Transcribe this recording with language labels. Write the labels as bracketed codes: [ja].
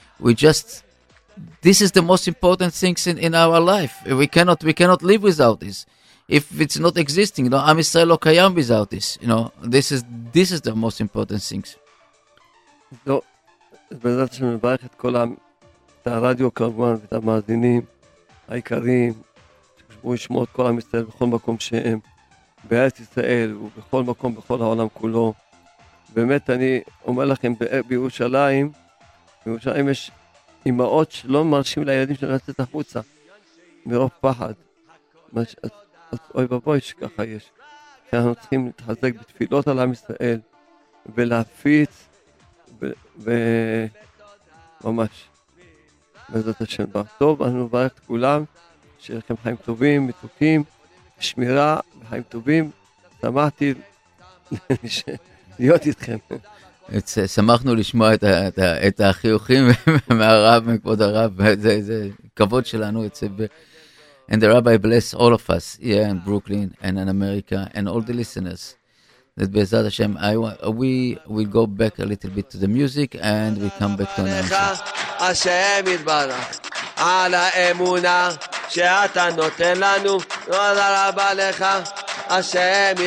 [en] We just, this is the most important things in our life. We cannot live without this. If it's not existing, you know, Am Yisrael lo kayam without this, you know, this is the most important things. [he] So, בעזרת השם מברך את כל את הרדיו כמובן ואת המאזינים העיקריים, שהוא ישמור את כל עם ישראל בכל מקום שהם, בארץ ישראל ובכל מקום, בכל העולם כולו. באמת, אני אומר לכם, בירושלים יש אמהות שלא מרשים לילדים שלהם לצאת החוצה, מרוב פחד. אז אוי ובוי שככה יש. אנחנו צריכים להתחזק בתפילות על עם ישראל, ולהפיץ, וממש. וזאת השם בר. טוב, אני מברך את כולם, שיהיה לכם חיים טובים, מתוקים, שמירה, וחיים טובים. שמחתי להיות איתכם. שמחנו לשמוע את החיוכים מהרב, מכבוד הרב, זה כבוד שלנו, את זה ב... [en] And the rabbi bless all of us here in Brooklyn and in America and all the listeners. That Be'ezrat Hashem, we will go back a little bit to the music and we come back to